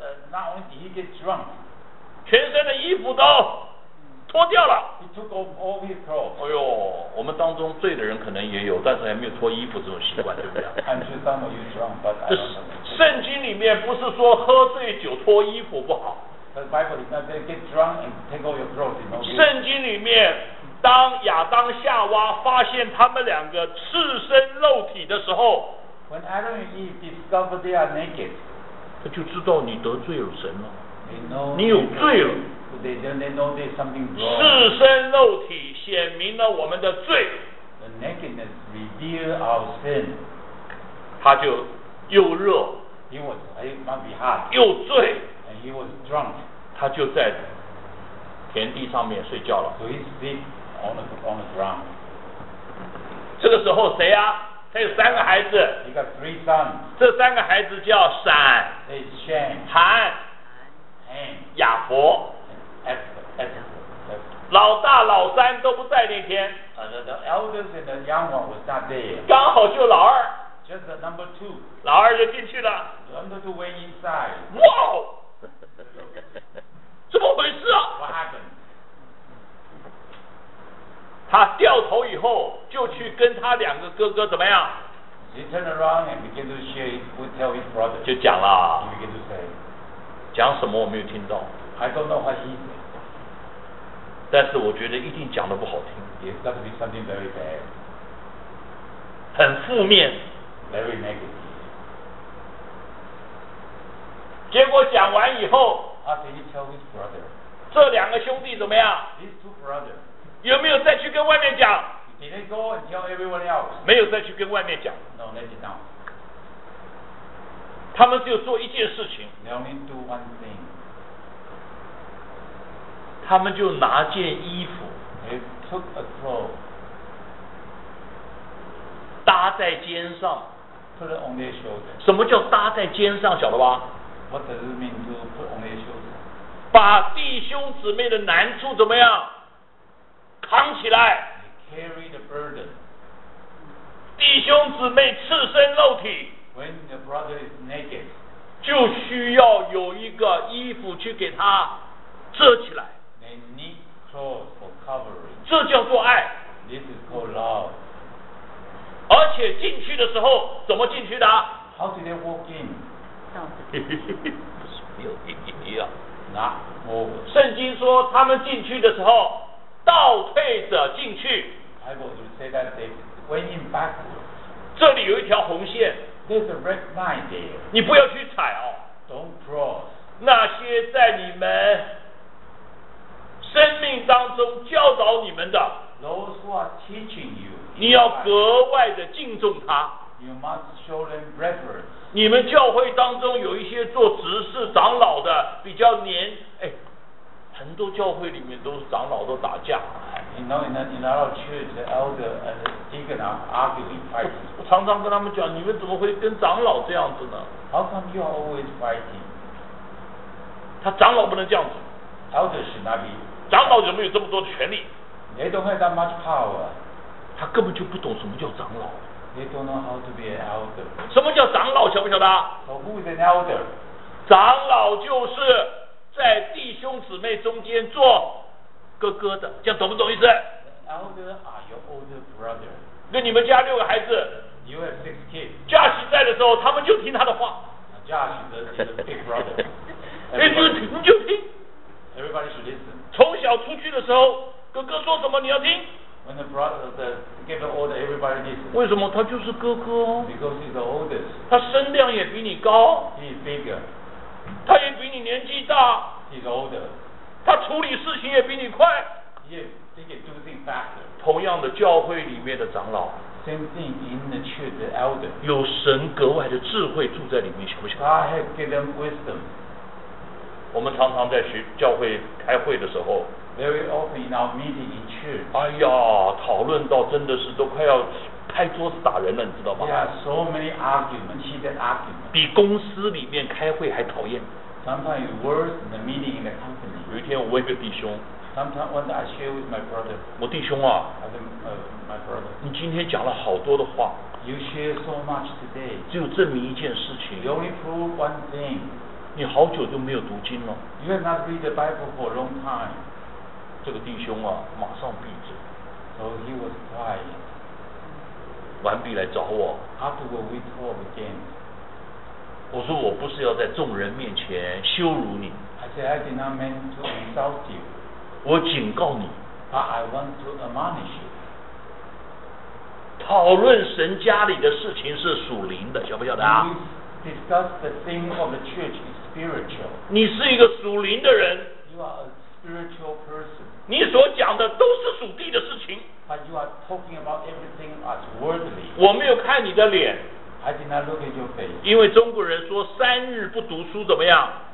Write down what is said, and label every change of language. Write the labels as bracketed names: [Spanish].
[English] ？Not only did he get drunk。 [Chinese] 全身的衣服都脱掉了。 [English] He took off all his clothes. [Chinese] 哎呦，我们当中醉的人可能也有，但是还没有脱衣服这种习惯，对不对 [English] ？I'm sure some of you drunk, but I don't know. [Chinese] 圣经里面不是说喝醉酒脱衣服不好。 [English] The Bible is not that get drunk and take off your clothes. [Chinese] 圣经里面，当亚当夏娃发现他们两个赤身露体的时候 [English] ，When Adam and Eve discover they are naked, [Chinese] 他就知道你得罪了神了。 [English] They know [Chinese] 你有罪了。 [English] They know there's something wrong. [Chinese] 赤身肉体显明了我们的罪。 [English] The nakedness reveals our sin. [Chinese] 他就又热。 [English] He was must be hot. [Chinese] 又醉。 [English] And he was drunk. [Chinese] 他就在田地上面睡觉了。 [English] So he sleep on the ground. [Chinese] 这个时候谁啊？他有三个孩子。 [English] He got three sons. [Chinese] 这三个孩子叫闪。 [English] They shame. [Chinese] 韩。亚伯 [English] Esther [Chinese] 老大老三都不在那天 [English] the elders and the young one was not there [Chinese] 刚好就老二 [English] just the number two [Chinese] 老二就进去了 [English] number two went inside [Chinese] 哇怎么回事啊 [English] what happened [Chinese] 他掉头以后就去跟他两个哥哥怎么样 [English] he turned around and began to share his food tell his brother [Chinese] 就讲了 [English] he began to say [Chinese] 讲什么我没有听到 [English] I don't know what he is [Chinese] 但是我觉得一定讲得不好听 [English] It's got to be something very bad [Chinese] 很负面 [English] Very negative [Chinese] 结果讲完以后 [English] After he tell his brother [Chinese] 这两个兄弟怎么样 [English] These two brothers [Chinese] 有没有再去跟外面讲 [English] Did they go and tell everyone else [Chinese] 没有再去跟外面讲 [English] No, they did not [Chinese] 他们就做一件事情 [English] They only do one thing [Chinese] 他们就拿件衣服 [English] They took a cloth [Chinese] 搭在肩上 [English] Put it on their shoulder [Chinese] 什么叫搭在肩上晓得吧 [English] What does it mean to put on their shoulder [Chinese] 把弟兄姊妹的难处怎么样扛起来 [English] They carry the burden [Chinese] 弟兄姊妹赤身肉体 [English] When the brother is naked, [Chinese] 就需要有一个衣服去给他遮起来。 [English] They need clothes for covering. [Chinese] 这叫做爱。 [English] This is called love. [Chinese] 而且进去的时候怎么进去的？ [English] How do they walk in? [Chinese] 不是没有电梯一样。那我圣经说他们进去的时候倒退着进去。 [English] Bible you say that they went in backwards. [Chinese] 这里有一条红线。 [English] There's a red line there. [Chinese] 你不要去踩哦。 [English] Don't cross. [Chinese] 那些在你们生命当中教导你们的。 [English] Those who are teaching you. [Chinese] 你要格外的敬重他。 [English] You must show them reverence. [Chinese] 你们教会当中有一些做执事长老的比较年很多教会里面都是长老都打架。 [English] You know, in a lot of church, the elder and the deacon are arguing, fighting. [Chinese] 我常常跟他们讲，你们怎么会跟长老这样子呢？ [English] How come you are always fighting? [Chinese] 他长老不能这样子。 [English] Elder should not be. [Chinese] 长老怎么有这么多的权利？ [English] They don't have that much power. [Chinese] 他根本就不懂什么叫长老。 [English] They don't know how to be an elder. [Chinese] 什么叫长老，晓不晓得？ [English] So who is an elder? [Chinese] 长老就是在弟兄姊妹中间做哥哥的，这样懂不懂意思？ [English] Elder are your older brother. [Chinese] 那你们家六个孩子， [English] You have six kids. [Chinese] 家许在的时候他们就听他的话。家许的是 [English] big brother. [Chinese] 你就听。 [English] Everybody should listen. [Chinese] 从小出去的时候哥哥说什么你要听。 [English] When the brother gives the order, everybody listen. [Chinese] 为什么？他就是哥哥哦。 [English] Because he's the oldest. [Chinese] 他身量也比你高。 [English] He's bigger. [Chinese] 他也比你年纪大。 [English] He's older. [Chinese] 他处理事情也比你快。 [English] He can do things faster. [Chinese] 同样的，教会里面的长老。 [English] Same thing in the church, the elder. [Chinese] 有神格外的智慧住在里面，晓不晓得？ [English] God has given wisdom. [Chinese] 我们常常在教会开会的时候。 [English] Very often in our meeting in church. [Chinese] 哎呀，讨论到真的是都快要拍桌子打人了，你知道吗？ [English] Yeah, so many arguments, heated arguments. [Chinese] 比公司里面开会还讨厌。 [English] Sometimes it's worse than the meeting in the company. [Chinese] 有一天我问一个弟兄。 [English] Sometimes when I share with my brother. [Chinese] 我弟兄啊。 [English] My brother. [Chinese] 你今天讲了好多的话。 [English] You share so much today. [Chinese] 只有证明一件事情。 [English] You only prove one thing. [Chinese] 你好久都没有读经了。 [English] You have not read the Bible for a long time. [Chinese] 这个弟兄啊，马上闭嘴。 [English] So he was quiet. [Chinese] 完毕来找我。 [English] After we talk again, [Chinese] 我说我不是要在众人面前羞辱你。 [English] I said I did not mean to insult you. [Chinese] 我警告你。 [English] But I want to admonish you. [Chinese] 讨论神家里的事情是属灵的，晓不晓得啊？ [English] We discuss the thing of the church is spiritual. [Chinese] 你是一个属灵的人。 [English] You are a spiritual person. [Chinese] 你所讲的都是属地的事情。 [English] But you are talking about everything as worldly. [Chinese] 我没有看你的脸。 [English] I did not look at your face. [Chinese] 因为中国人说三日不读书怎么样？